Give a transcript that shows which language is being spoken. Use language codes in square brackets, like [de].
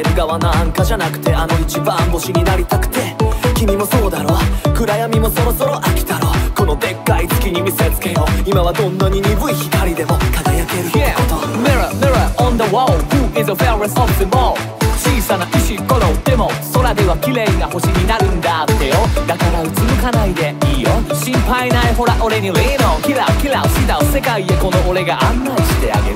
[ja] なんかじゃなくて、あの一番星になりたくて、君もそうだろ、暗闇もそろそろ飽きたろ、こののでっかい月に見せつけよう。今はどんなに鈍い光でも輝けること、yeah. [en] Mirror, mirror on the wall, who is the fairest of them all? [ja] 小さな石ころでも空では綺麗な星になるんだってよ。だからうつむかないでいいよ。心配ないほら俺にリーノ。キラキラしだ世界へこの俺が案内してあげる。